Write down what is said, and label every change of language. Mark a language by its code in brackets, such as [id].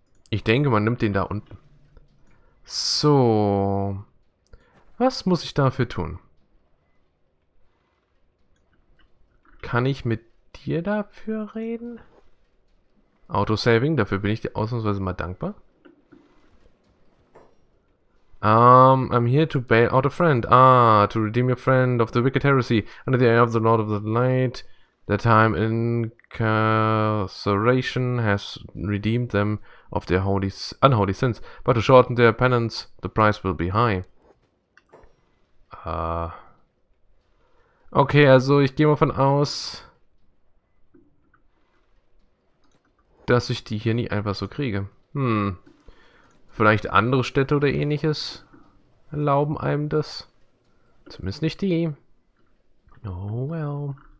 [de] Ich denke, man nimmt den da unten. So. Was muss ich dafür tun? Kann ich mit dir dafür reden? Autosaving, dafür bin ich dir ausnahmsweise mal dankbar. [en] I'm here to bail out a friend. Ah, to redeem your friend of the wicked heresy. Under the eye of the Lord of the Light. The time incarceration has redeemed them of their holy, unholy sins. But to shorten their penance, the price will be high. [de] Okay, also ich gehe mal von aus, dass ich die hier nicht einfach so kriege. Vielleicht andere Städte oder ähnliches erlauben einem das. Zumindest nicht die. [en] Oh well.